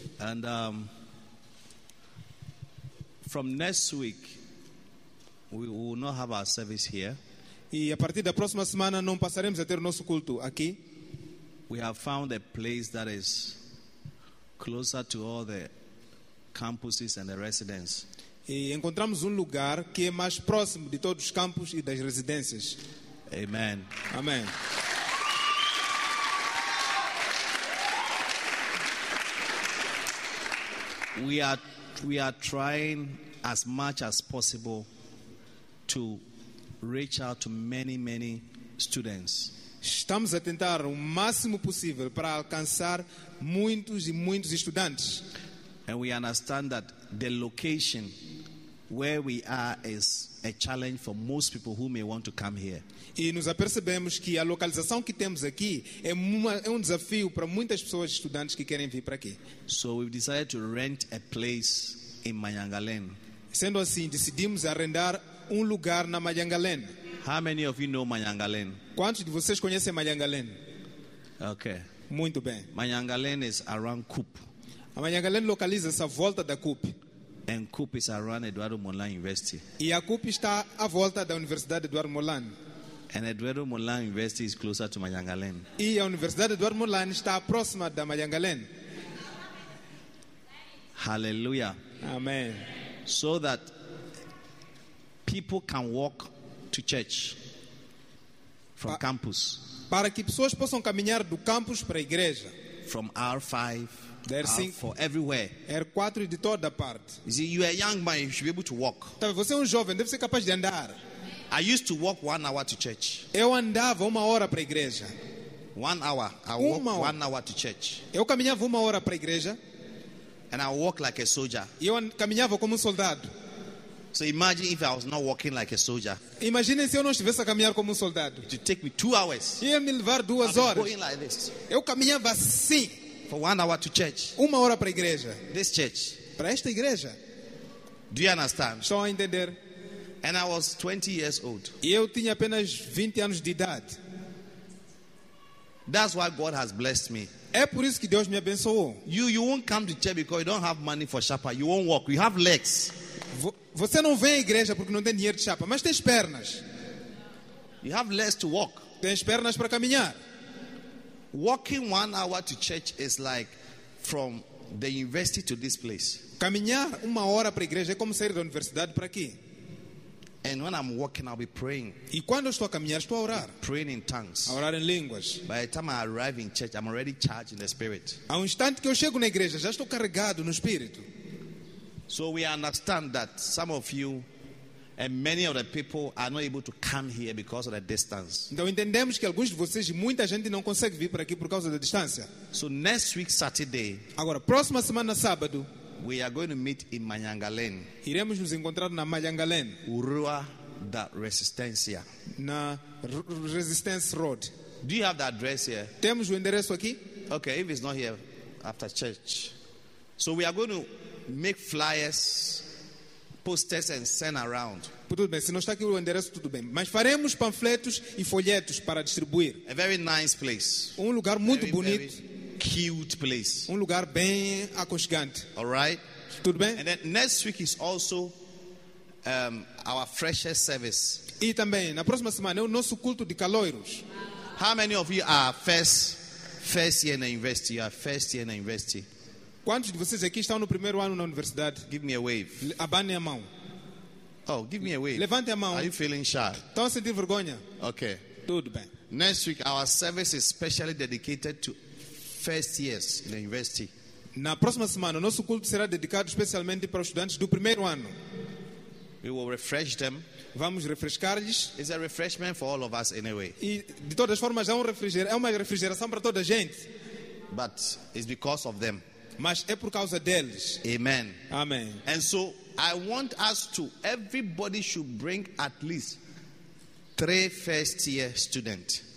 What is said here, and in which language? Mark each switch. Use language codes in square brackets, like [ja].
[en] And from next week, we will not have our service here. [pt] E a partir da próxima semana não passaremos a ter o nosso culto aqui. [en] We have found a place that is closer to all the campuses and the residents. [pt] E encontramos lugar que é mais próximo de todos os campos e das residências. [en] Amen. [pt] Amen. [en] We are trying as much as possible to reach out to many students. [pt] Estamos a tentar o máximo possível para alcançar muitos estudantes. [en] And we understand that the location where we are is a challenge for most people who may want to come here. [pt] E nos apercebemos que a localização que temos aqui é um desafio para muitas pessoas estudantes que querem vir para aqui. [en] So we decided to rent a place in Manyangalen. [pt] Sendo assim, decidimos arrendar lugar na Manyangalen. [en] How many of you know Manyangalen? [pt] Quantos de vocês conhecem Manyangalen? [en] Okay. [pt] Muito bem. [en] Manyangalen is around Coop. [pt] A Manyangalen localiza-se à volta da Coop. [en] And Coop is around Eduardo Molan University. [pt] E a Coop está à volta da Universidade Eduardo Molan. [en] And Eduardo Molan University is closer to Manyangalen. [pt] E a Universidade Eduardo Molan está próxima da Manyangalen. [en] Hallelujah. [pt] Amen. [en] So that people can walk to church from campus. [pt] Para que pessoas possam caminhar do campus para a igreja. [en] From R5. For everywhere. [pt] R4 de toda parte. [en] You see, you are a young man, you should be able to walk. [pt] Então, você jovem, deve ser capaz de andar. [en] I used to walk 1 hour to church. [pt] Eu andava 1 hora para a igreja. [en] 1 hour. I walk 1 hour to church. [pt] Eu caminhava 1 hora para a igreja. [en] And I walk like a soldier. [pt] Eu caminhava como soldado. [en] So imagine if I was not walking like a soldier. [pt] Imagine se eu não estivesse a caminhar como soldado. [en] It would take me 2 hours. [pt] Ia me levar 2 horas. [en] I'm going like this. [pt] Eu caminhava assim. [en] For 1 hour to church. [pt] 1 hora para a igreja. [en] This church. [pt] Para esta igreja. [en] Do you understand? [pt] Só a entender. [en] And I was 20 years old. [pt] E eu tinha apenas 20 anos de idade. [en] That's why God has blessed me. [pt] É por isso que Deus me abençoou. [en] You won't come to church because you don't have money for chapa. You won't walk. You have legs. [pt] Você não vem à igreja porque não tem dinheiro de chapa, mas tens pernas. [en] You have legs to walk. [pt] Tens pernas para caminhar. [en] Walking 1 hour to church is like from the university to this place. [pt] Caminhar 1 hora para a igreja é como sair da universidade para aqui. [en] And when I'm walking, I'll be praying. [pt] E quando estou a caminhar, estou a orar. [en] Praying in tongues. [pt] A orar em línguas. [en] By the time I arrive in church, I'm already charged in the spirit. [pt] Há instante que eu chego na igreja, já estou carregado no espírito. [en] So we understand that some of you and many of the people are not able to come here because of the distance. [pt] Então entendemos que alguns de vocês e muita gente não consegue vir para aqui por causa da distância. [en] So next week Saturday. [pt] Agora próxima semana sábado. [en] We are going to meet in Manyangalen. [pt] Iremos nos encontrar na Manyangalen. Rua da Resistência. Na Resistance Road. [en] Do you have the address here? [pt] Temos o endereço aqui? [en] Okay, if it's not here after church. So we are going to make flyers, posters and send around. [pt] Tudo bem, se não está aqui o endereço, tudo bem. Mas faremos panfletos e folhetos para distribuir. [en] A very nice place. [pt] Lugar muito bonito. [en] Cute place. [pt] Lugar bem aconchegante. [en] All right. [pt] Tudo bem? [en] And then next week is also our freshers service. [pt] E também na próxima semana é o nosso culto de caloiros. [en] How many of you are first year in the university? You are first year in the university. [pt] Quantos de vocês aqui estão no primeiro ano na universidade? [en] Give me a wave. [pt] Abane a mão. [en] Oh, give me a wave. [pt] Levante a mão. [en] Are you feeling shy? [pt] Estão a sentir vergonha? [en] Okay. [pt] Tudo bem. [en] Next week, our service is specially dedicated to first years in the university. [pt] Na próxima semana, o nosso culto será dedicado especialmente para os estudantes do primeiro ano. [en] We will refresh them. [pt] Vamos refrescar-lhes. [en] It's a refreshment for all of us anyway. [pt] E de todas formas é uma refrigeração para toda a gente. [en] But it's because of them. [pt] Mas é por causa deles. [en] Amen. [pt] Amen. [en] And so I want us to, everybody should bring at least 3 first year students.